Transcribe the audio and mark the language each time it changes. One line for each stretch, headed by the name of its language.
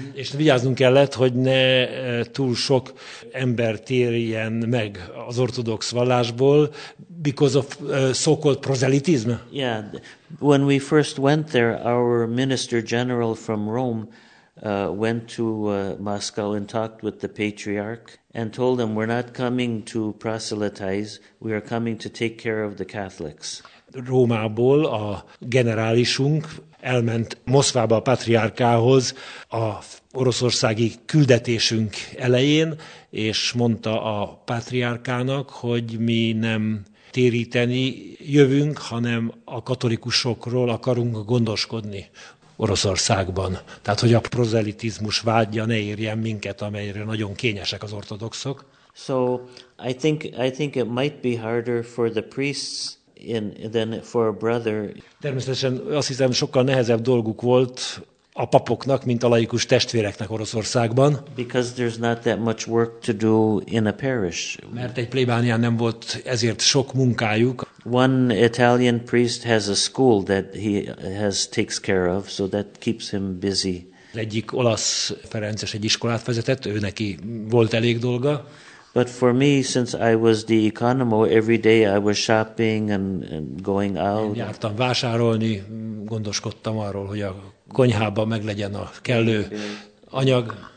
Hungarian: És vigyáznunk kellett, hogy ne túl sok ember térjen meg az ortodox vallásból,
English: because of so-called proselytism. Yeah, when we first went there, our minister general from Rome went to Moscow and talked with the patriarch and told him, we're not coming to proselytize, we are coming to take care of the Catholics.
Hungarian: Rómából a generálisunk elment Moszkvába a patriárkához a oroszországi küldetésünk elején, és mondta a patriárkának, hogy mi nem téríteni jövünk, hanem a katolikusokról akarunk gondoskodni Oroszországban. Tehát, hogy a prozelitizmus vádja ne érjen minket, amelyre nagyon kényesek az ortodoxok.
English: So, I think it might be harder for the priests than for a brother.
Hungarian: Természetesen azt hiszem, sokkal nehezebb dolguk volt a papoknak, mint a laikus testvéreknek Oroszországban.
English: Because there's not that much work to do in a parish.
Hungarian: Mert egy plébánián nem volt ezért sok munkájuk.
English: One Italian priest has a school that he takes care of, so that keeps him busy.
Hungarian: Egyik olasz ferences egy iskolát vezetett, ő neki volt elég dolga.
English: But for me, since I was the economo, every day I was shopping and going out.
Hungarian: Én jártam vásárolni, gondoskodtam arról, hogy a konyhában meglegyen a kellő anyag.